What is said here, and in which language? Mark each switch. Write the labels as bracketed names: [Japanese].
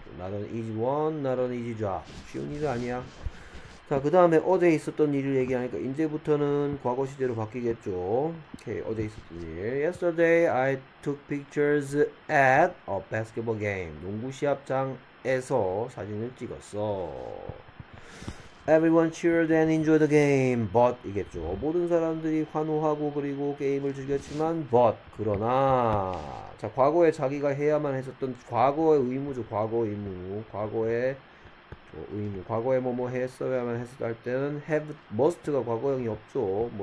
[English] Not an easy one, not an easy job. [Korean] 쉬운 일은 아니야. 자, 그 다음에 어제 있었던 일을 얘기하니까 이제부터는 과거 시제로 바뀌겠죠. 오케이, 어제 있었던 일. [English] Yesterday I took pictures at a basketball game. [Korean] 농구 시합장에서 사진을 찍었어. [English] Everyone cheered and enjoyed the game, but [Korean] 이겠죠. 모든 사람들이 환호하고 그리고 게임을 즐겼지만, but 그러나, 자, 과거에 자기가 해야만 했었던 과거의 의무죠. 과거 의무, 과거의 의무, 과거에 뭐뭐 했어야만 했었다 할 때는 have, must가 과거형이 없죠.